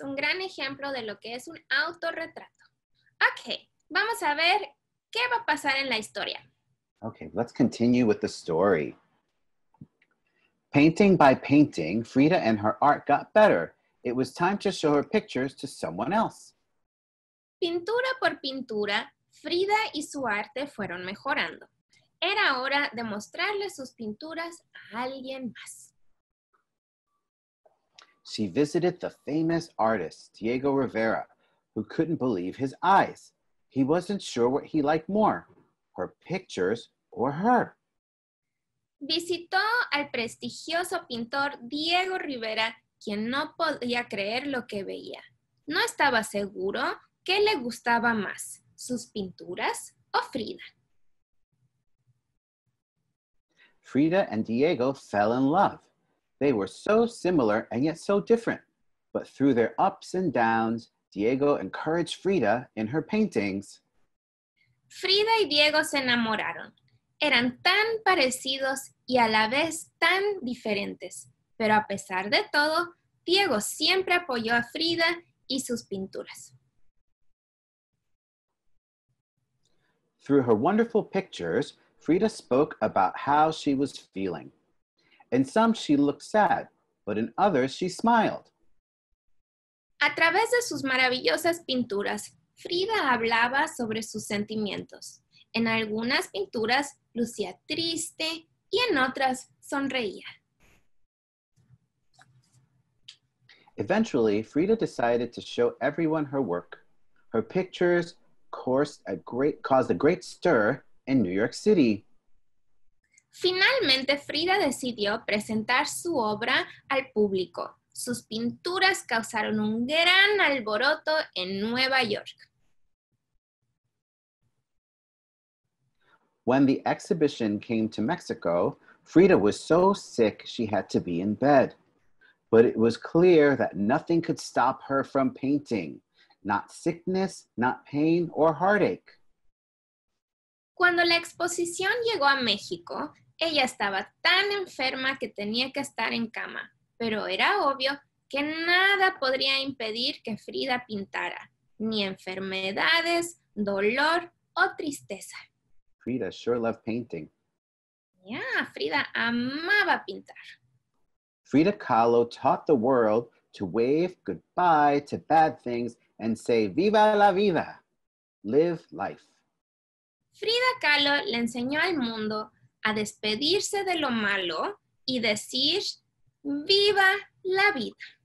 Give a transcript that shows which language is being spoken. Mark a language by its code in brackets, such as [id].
[es] Un gran ejemplo de lo que es un autorretrato. Okay, vamos a ver qué va a pasar en la historia. [en] Okay, let's continue with the story. Painting by painting, Frida and her art got better. It was time to show her pictures to someone else. [es] Pintura por pintura, Frida y su arte fueron mejorando. Era hora de mostrarle sus pinturas a alguien más. [en] She visited the famous artist, Diego Rivera, who couldn't believe his eyes. He wasn't sure what he liked more, her pictures or her. [es] Visitó al prestigioso pintor Diego Rivera, quien no podía creer lo que veía. No estaba seguro qué le gustaba más, sus pinturas o Frida. [en] Frida and Diego fell in love. They were so similar and yet so different. But through their ups and downs, Diego encouraged Frida in her paintings. [es] Frida y Diego se enamoraron. Eran tan parecidos y a la vez tan diferentes. Pero a pesar de todo, Diego siempre apoyó a Frida y sus pinturas. [en] Through her wonderful pictures, Frida spoke about how she was feeling. In some, she looked sad, but in others, she smiled. [es] A través de sus maravillosas pinturas, Frida hablaba sobre sus sentimientos. En algunas pinturas, lucía triste y en otras, sonreía. [en] Eventually, Frida decided to show everyone her work. Her pictures caused a great stir in New York City. [es] Finalmente, Frida decidió presentar su obra al público. Sus pinturas causaron un gran alboroto en Nueva York. [en] When the exhibition came to Mexico, Frida was so sick she had to be in bed. But it was clear that nothing could stop her from painting. Not sickness, not pain, or heartache. [es] Cuando la exposición llegó a México, ella estaba tan enferma que tenía que estar en cama. Pero era obvio que nada podría impedir que Frida pintara, ni enfermedades, dolor o tristeza. [en] Frida sure loved painting. [es] Yeah, Frida amaba pintar. [en] Frida Kahlo taught the world to wave goodbye to bad things and say, [es] viva la vida, [en] live life. [es] Frida Kahlo le enseñó al mundo a despedirse de lo malo y decir, viva la vida.